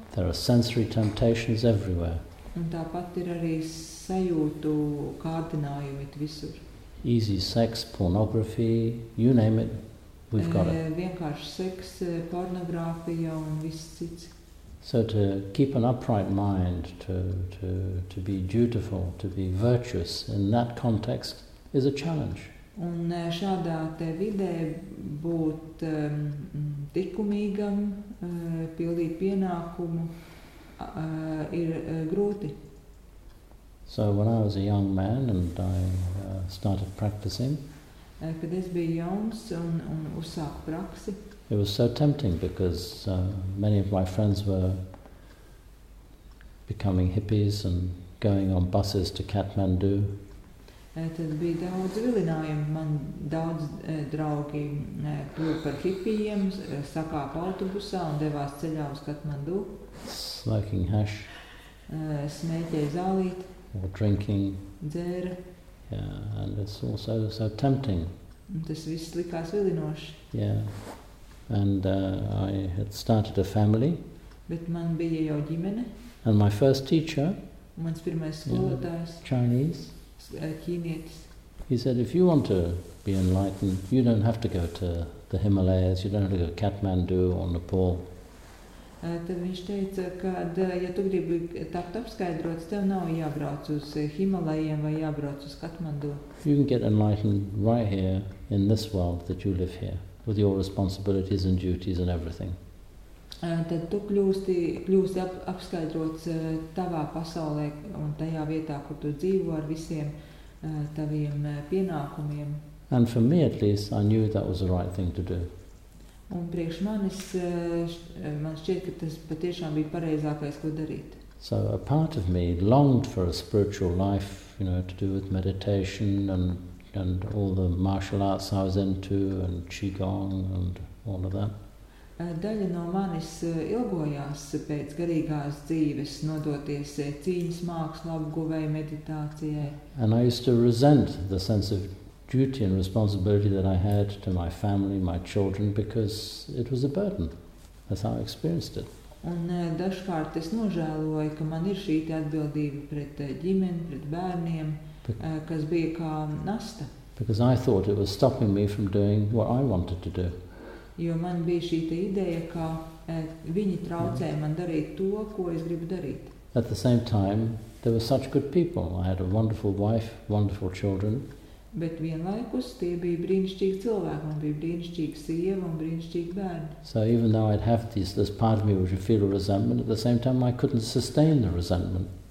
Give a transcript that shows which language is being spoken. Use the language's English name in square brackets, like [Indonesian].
[English] There are sensory temptations everywhere. [Latvian] Un tāpat ir arī sajūtu kārdinājumi visur. [English] Easy sex, pornography, you name it, we've got it. [Latvian] Vienkārši seks, pornogrāfija un viss cits. [English] So to keep an upright mind, to be dutiful, to be virtuous in that context is a challenge. [Latvian] Un šādā te vidē būt tikumīgam, pildīt pienākumu, ir grūti. [English] So when I was a young man and I started practicing, [Latvian] kad es biju jauns un uzsāku praksi, [English] it was so tempting because many of my friends were becoming hippies and going on buses to Kathmandu. [Latvian] Tad bija daudz vilinājumu, man daudz draugi kļuva par hippijiem, sakāpa autobusā un devās ceļā uz Kathmandu. [English] Smoking hash. [Latvian] Smēķēja zālīt. [English] Or drinking. [Latvian] Dzēra. [English] Yeah, and it's also so tempting. [Latvian] Un tas viss likās vilinoši. [English] Yeah. And I had started a family. [Latvian] Bet man bija jau ģimene. [English] And my first teacher. [Latvian] Mans pirmais skolotājs. [English] Yeah, Chinese. [Latvian] Ķīnietis. [English] He said, if you want to be enlightened, you don't have to go to the Himalayas, you don't have to go to Kathmandu or Nepal. [Latvian] Tad viņš teica, ka ja tu gribi tapt apskaidrots, tev nav jābrauc uz Himalajiem vai jābrauc uz Katmandu. [English] You can get enlightened right here in this world that you live here with your responsibilities and duties and everything. [Latvian] Tad tu kļūsti apskaidrots tavā pasaulē un tajā vietā, kur tu dzīvo ar visiem taviem pienākumiem. [English] And for me at least, I knew that was the right thing to do. [Latvian] Un priekš manis, man šķiet, ka tas patiešām bija pareizākais, ko darīt. [English] So a part of me longed for a spiritual life, you know, to do with meditation and all the martial arts I was into and qigong and all of that. [Latvian] Daļa no manis ilgojās pēc garīgās dzīves nodoties cīņas mākslu apguvei meditācijai. [English] And I used to resent the sense of duty and responsibility that I had to my family, my children, because it was a burden. That's how I experienced it. [Latvian] Un dažkārt es nožēloju, ka man ir šī atbildība pret ģimeni, pret bērniem, kas bija kā nasta. [English] Because I thought it was stopping me from doing what I wanted to do. [Latvian] Jo man bija šī ideja, ka viņi traucē man darīt to, ko es gribu darīt. [English] At the same time, there were such good people. I had a wonderful wife, wonderful children. [Latvian] Bet vienlaikus tie bija brīnišķīgi cilvēki, man bija brīnišķīga sieva un brīnišķīgi bērni. [English] So even though I'd have this part of me which would feel resentment, at the same time I couldn't sustain the resentment.